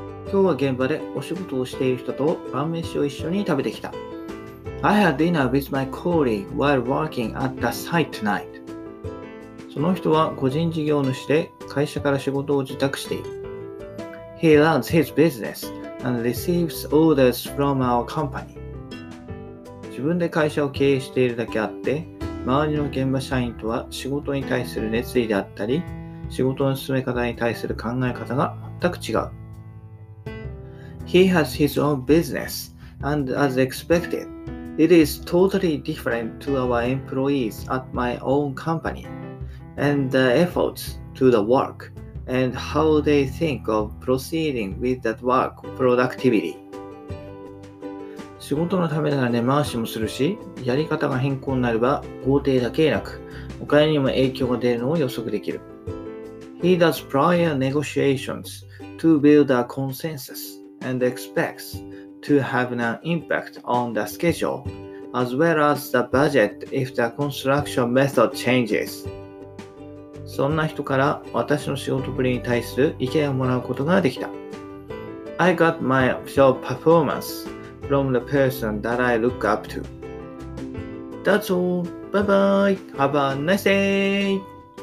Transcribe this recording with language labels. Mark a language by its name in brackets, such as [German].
[Japanese] 今日は現場でお仕事をしている人と晩飯を一緒に食べてきた。 [English] I had dinner with my colleague while working at the site tonight. [Japanese] その人は個人事業主で会社から仕事を受託している。 [English] He runs his business and receives orders from our company. [Japanese] 自分で会社を経営しているだけあって、周りの現場社員とは仕事に対する熱意であったり、仕事の進め方に対する考え方が全く違う。 [English] He has his own business, and as expected, it is totally different to our employees at my own company, and the efforts to the work, and how they think of proceeding with that work productivity. [Japanese] 仕事のためなら根回しもするし、やり方が変更になれば、豪邸だけでなく、お金にも影響が出るのを予測できる。 [English] He does prior negotiations to build a consensus and expects to have an impact on the schedule as well as the budget if the construction method changes. [Japanese] そんな人から私の仕事ぶりに対する意見をもらうことができた。 [English] I got my job performance. From the person that I look up to. That's all. Bye bye. Have a nice day.